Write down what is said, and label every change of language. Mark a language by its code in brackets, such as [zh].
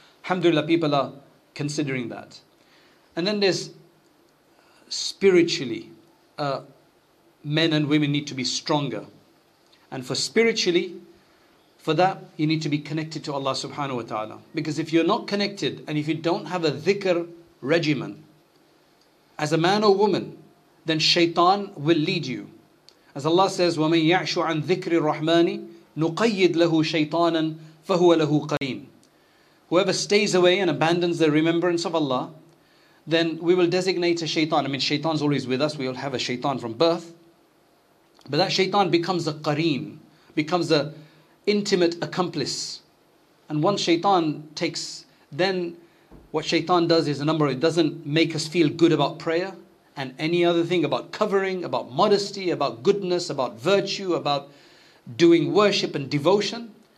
[en] Alhamdulillah, people are considering that. And then there's spiritually, men and women need to be stronger. And for spiritually, for that, you need to be connected to Allah subhanahu wa ta'ala. Because if you're not connected, and if you don't have a dhikr regimen, as a man or woman, then shaitan will lead you. [ar] As Allah says, وَمَنْ يَعْشُ عَنْ ذِكْرِ الرَّحْمَانِ نُقَيِّدْ لَهُ شَيْطَانًا فَهُوَ لَهُ قَرِينٌ. [en] Whoever stays away and abandons the remembrance of Allah, then we will designate a shaitan. I mean, shaitan's always with us. We all have a shaitan from birth. But that shaitan becomes a qareen, becomes a intimate accomplice. And once shaitan takes, then what shaitan does is a number of, it doesn't make us feel good about prayer and any other thing, about covering, about modesty, about goodness, about virtue, about doing worship and devotion.